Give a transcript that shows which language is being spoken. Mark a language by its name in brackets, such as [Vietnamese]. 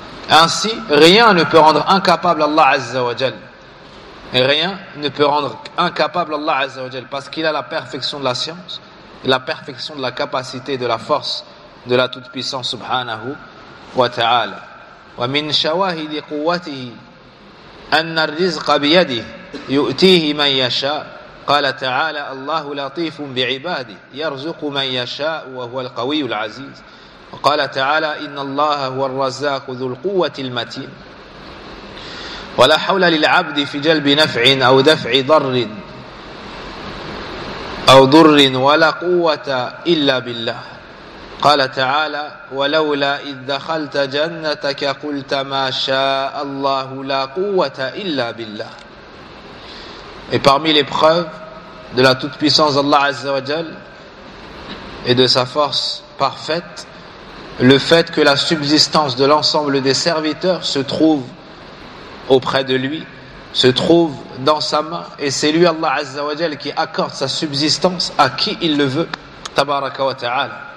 [French] Ainsi, rien ne peut rendre incapable Allah Azza wa Jal. Rien ne peut rendre incapable Allah Azza wa Jal, parce qu'il a la perfection de la science, la perfection de la capacité, de la force de la toute-puissance, subhanahu wa ta'ala. [Arabic] ومن شواهد قوته أن الرزق بيده يؤتيه من يشاء قال تعالى الله لطيف بعباده يرزق من يشاء وهو القوي العزيز وقال تعالى إن الله هو الرزاق ذو القوة المتين ولا حول للعبد في جلب نفع أو دفع ضر أو ضر ولا قوة إلا بالله قال تعالى ولولا إذ دخلت جنتك قلت ما شاء الله لا قوة إلا بالله. [French] Et parmi les preuves de la toute-puissance d'Allah Azza wa Jal et de sa force parfaite, le fait que la subsistance de l'ensemble des serviteurs se trouve auprès de lui, se trouve dans sa main, et c'est lui Allah Azza wa Jal qui accorde sa subsistance à qui il le veut, tabaraka wa ta'ala.